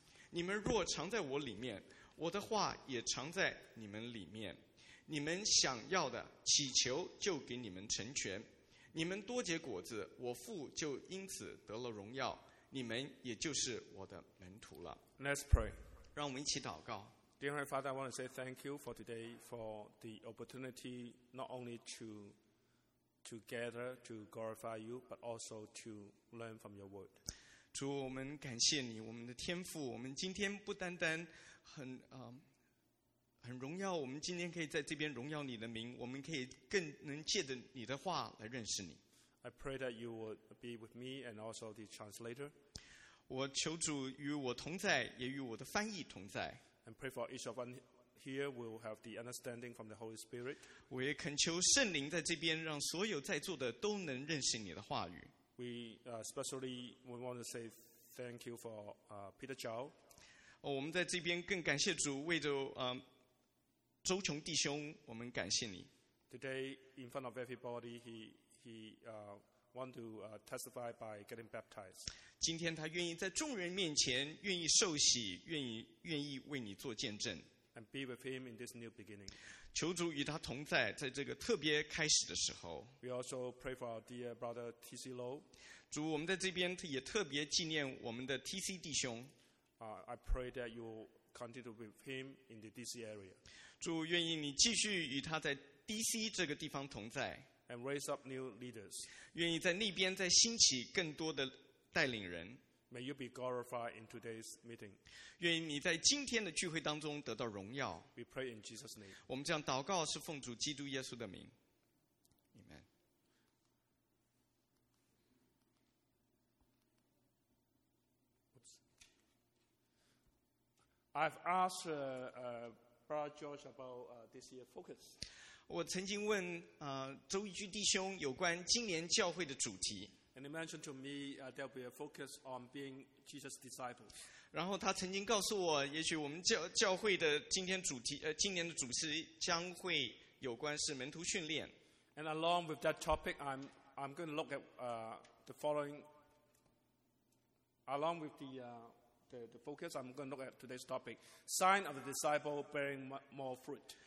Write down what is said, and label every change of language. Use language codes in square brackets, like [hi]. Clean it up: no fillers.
[zh] 你们若常在我里面，我的话也常在你们里面。你们想要的，祈求就给你们成全。你们多结果子，我父就因此得了荣耀，你们也就是我的门徒了。 [en] Let's pray. [zh] 让我们一起祷告。 [en] Dear Heavenly Father, I want to say thank you for today for the opportunity not only to gather to glorify you, but also to learn from your word. [zh] 主，我们感谢你，我们的天父。我们今天不单单很荣耀，我们今天可以在这边荣耀你的名，我们可以更能借着你的话来认识你。 [en] I pray that you would be with me and also the translator. [zh] 我求主与我同在，也与我的翻译同在。 [en] And pray for each of us. Here we'll have the understanding from the Holy Spirit. [zh] 我也恳求圣灵在这边，让所有在座的都能认识你的话语。 [en] We especially we want to say thank you for Peter Zhao. [zh] 我们在这边更感谢主，为着周琼弟兄，我们感谢你。 [en] Today in front of everybody, he want to testify by getting baptized. [zh] 今天他愿意在众人面前愿意受洗，愿意为你做见证。 [en] And be with him in this new beginning. [zh] 求主与他同在，在这个特别开始的时候。 [en] We also pray for our dear brother TC Low. [zh] 主，我们在这边也特别纪念我们的 TC 弟兄。 [en] I pray that you continue with him in the DC area. [zh] 主，愿意你继续与他在 DC 这个地方同在。 [en] And raise up new leaders. [zh] 愿意在那边再兴起更多的带领人。 [en] May you be glorified in today's meeting. [zh] 愿你在今天的聚会当中得到荣耀。 [en] We pray in Jesus' name. [zh] 我们这样祷告是奉主基督耶稣的名。 [en] Amen. I've asked Brother George about this year's focus. [zh] 我曾经问, 周一居弟兄有关今年教会的主题。 [en] And he mentioned to me there'll be a focus on being Jesus' disciples. [zh] 然后他曾经告诉我, 也许我们教会的今天主题, 今年的主题将会有关是门徒训练。 [en] And along with that topic, I'm going to look at the following. Along with the focus, I'm going to look at today's topic: sign of the disciple bearing more fruit.